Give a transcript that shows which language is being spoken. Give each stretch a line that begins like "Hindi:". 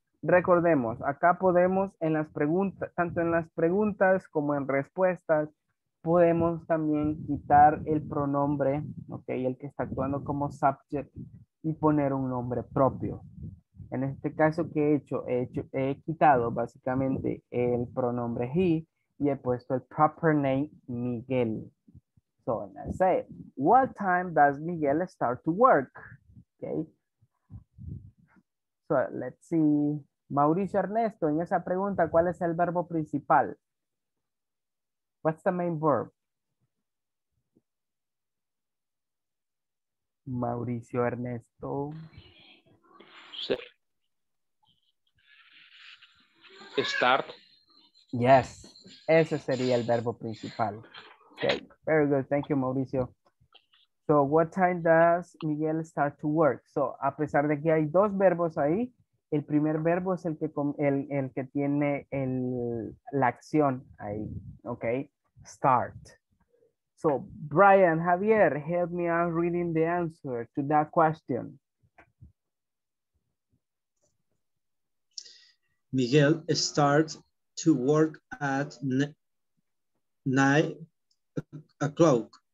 Spanish: Recordemos, acá podemos en las preguntas, tanto en las preguntas como en respuestas, podemos también quitar el pronombre, ok, el que está actuando como subject y poner un nombre propio. En este caso, ¿qué he hecho? He quitado básicamente el pronombre he y he puesto el proper name Miguel.
English: So, let's say, what time does Miguel start to work? Okay. So, let's see.
Spanish: Mauricio Ernesto, en esa pregunta, ¿cuál es el verbo principal?
English: What's the main verb?
Spanish: Mauricio Ernesto.
English: Start. Yes.
Spanish: Ese sería el verbo principal.
English: Okay, very good. Thank you, Mauricio. So, what time does Miguel start to work?
Spanish: So, a pesar de que hay dos verbos ahí, el primer verbo es el que tiene la acción ahí.
English: Okay, start. So, Brian, Javier, help me out reading the answer to that question. Miguel starts to work at 9 o'clock.